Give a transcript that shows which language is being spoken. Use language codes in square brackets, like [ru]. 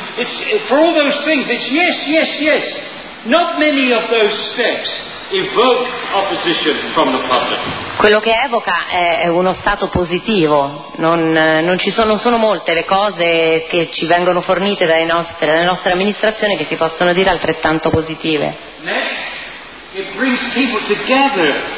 [en] It's for all those things. It's yes, yes, yes. Not many of those steps evoke opposition from the public. [it] Quello che evoca è uno stato positivo, non ci sono, non sono molte le cose che ci vengono fornite dalle nostre amministrazioni che si possono dire altrettanto positive. [en] Next, it brings people together